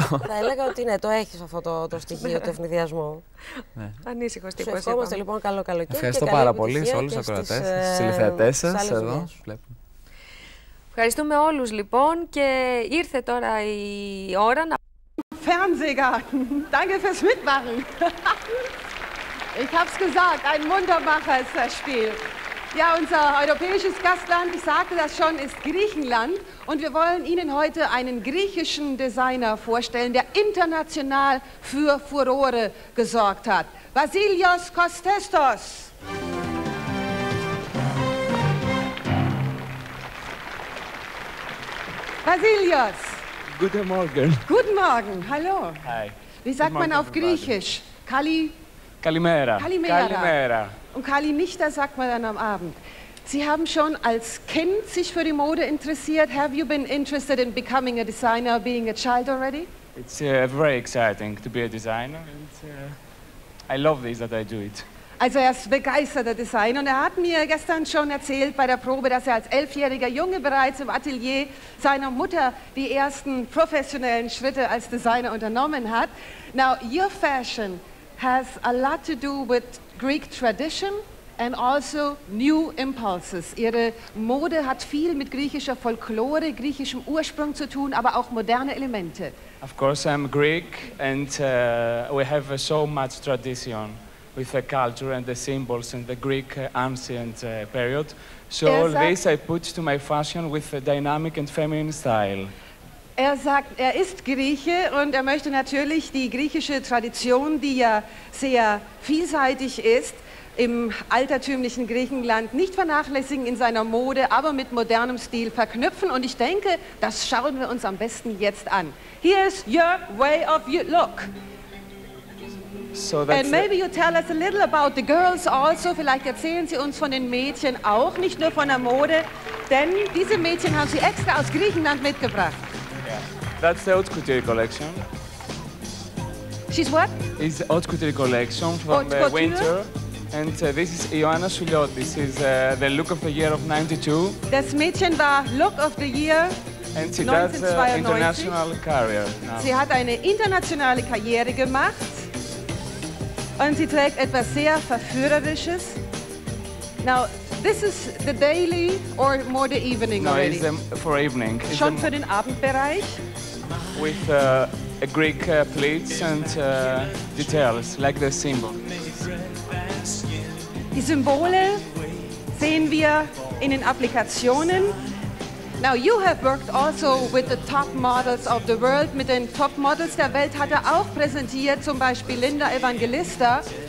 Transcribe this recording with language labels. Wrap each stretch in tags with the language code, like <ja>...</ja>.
<el>Θα έλεγα ότι ναι, το έχεις αυτό το στοιχείο του ευνηδιασμού. Ναι. Ανήσυχος τύπος. Σου ευχόμαστε λοιπόν καλό καλοκαίρι. Ευχαριστώ και πάρα πολύ σε όλους τους ακροατές, στις τηλεθεατές σας εδώ. Ευχαριστούμε όλους λοιπόν και ήρθε τώρα η ώρα να...</el> <de>Fernsehgarten. Danke fürs Mitmachen. Ich hab's gesagt, ein Muntermacher ist das Spiel. Ja, unser europäisches Gastland, ich sagte das schon, ist Griechenland. Und wir wollen Ihnen heute einen griechischen Designer vorstellen, der international für Furore gesorgt hat. Vasilios Kostestos. Vasilios. Guten Morgen. Guten Morgen, hallo. Hi. Wie sagt man auf Griechisch? Kali? Kalimera. Kalimera. Kalimera. Und Kali nicht, das sagt man dann am Abend. Sie haben schon als Kind sich für die Mode interessiert.</de> <en>Have you been interested in becoming a designer, being a child already? It's very exciting to be a designer. And, I love this, that I do it.</en> <de>Also er ist begeisterter Designer und er hat mir gestern schon erzählt bei der Probe, dass er als elfjähriger Junge bereits im Atelier seiner Mutter die ersten professionellen Schritte als Designer unternommen hat.</de> <en>Now, your fashion has a lot to do with Greek tradition and also new impulses.</en> <de>Ihre Mode hat viel mit griechischer Folklore, griechischem Ursprung zu tun, aber auch moderne Elemente.</de> <en>Of course, I'm Greek and we have so much tradition. With the culture and the symbols and the Greek ancient period. So all this I put to my fashion with a dynamic and feminine style.</en> <de>Er sagt, er ist Grieche und er möchte natürlich die griechische Tradition, die ja sehr vielseitig ist, im altertümlichen Griechenland nicht vernachlässigen in seiner Mode, aber mit modernem Stil verknüpfen. Und ich denke, das schauen wir uns am besten jetzt an.</de> <en>Here is your way of your look. So that's and maybe you tell us a little about the girls also.</en> <de>Vielleicht erzählen Sie uns von den Mädchen auch, nicht nur von der Mode. Denn diese Mädchen haben Sie extra aus Griechenland mitgebracht.</de> <en>Yeah. That's the Haute Couture collection. She's what? It's the Haute Couture collection from the winter. And this is Ioana Souliot. This is the look of the year of 92.</en> <de>Das Mädchen war</de> <en>look of the year. And she does international career now.</en> <de>Sie hat eine internationale Karriere gemacht. Und sie trägt etwas sehr Verführerisches.</de> <en>Now, this is the daily or more the evening no, already? No, it's for evening. It's</en> <de>schon für den Abendbereich?</de> <en>With a Greek pleats and details, like the symbol.</en> <de>Die Symbole sehen wir in den Applikationen.</de> <en>Now, you have worked also with the top models of the world.</en> <de>Mit den Top Models der Welt hat er auch präsentiert, zum Beispiel Linda Evangelista.</de>